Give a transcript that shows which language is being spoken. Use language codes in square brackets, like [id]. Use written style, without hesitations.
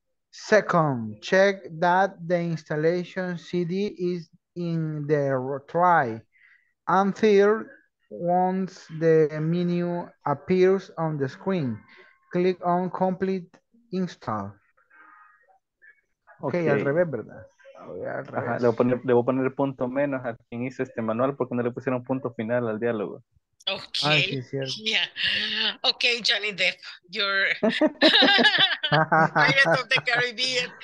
[en] Second, check that the installation CD is in the tray. And third, once the menu appears on the screen, click on complete install. [es] Okay, al revés, ¿verdad? Ajá, le voy a poner punto menos a quien hizo este manual porque no le pusieron punto final al diálogo. [en] Okay. [es] Ah, sí, [en] yeah. Okay, Johnny Depp, you're Pirates of the Caribbean.